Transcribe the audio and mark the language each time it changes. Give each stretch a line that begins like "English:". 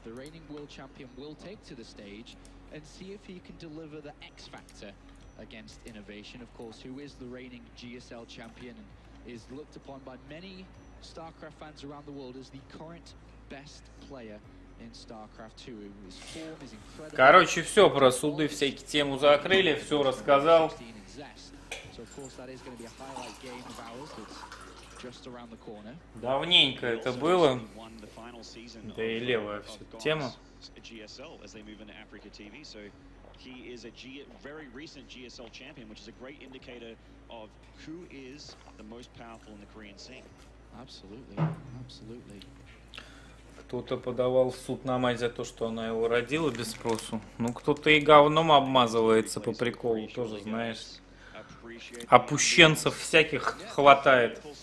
English: The reigning world champion will take to the stage and see if he can deliver the X factor against Innovation, of course, who is the reigning GSL champion and is looked upon by many StarCraft fans around the world as the current best player in StarCraft 2. His form is incredible.
Russian: Короче, все про суды, всякие тему закрыли, все рассказал.
English: So of course that is going to be a highlight game of ours that's just around the corner.
Russian: Давненько это было. Да и левая все тема.
English: GSL as they move into Africa TV. So he is a very recent GSL champion, which is a great indicator of who is the most powerful in the Korean scene. Absolutely. Absolutely.
Russian: Кто-то подавал в суд на мать за то, что она его родила без спросу. Ну кто-то и говном обмазывается по приколу, тоже знаешь. Опущенцев всяких хватает.